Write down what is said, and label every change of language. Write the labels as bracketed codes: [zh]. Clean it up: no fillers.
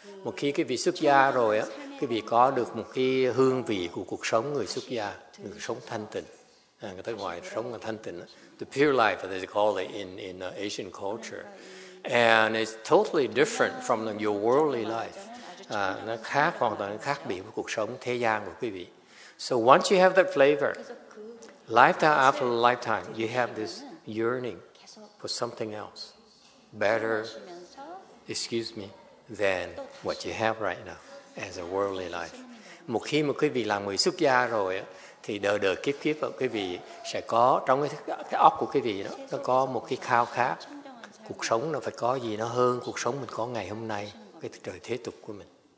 [vi] Một khi cái vị xuất gia rồi á, cái vị có được một cái hương vị của cuộc sống người xuất gia, người sống thanh tịnh, người ta gọi sống thanh tịnh, [en] the pure life as they call it in Asian culture, and it's totally different from your worldly life. [vi] Nó khác, hoàn toàn khác biệt với cuộc sống thế gian của quý vị. [en] So once you have that flavor, lifetime after lifetime, you have this yearning for something else better. Excuse me. Than what you have right now as a worldly life. [vi] Một khi mà quý vị là người xuất gia rồi, thì đời đời kiếp kiếp quý vị sẽ có trong cái óc của quý vị đó, nó có một cái khao khát. Cuộc sống nó phải có gì nó hơn cuộc sống mình có ngày hôm nay, cái đời thế tục của mình.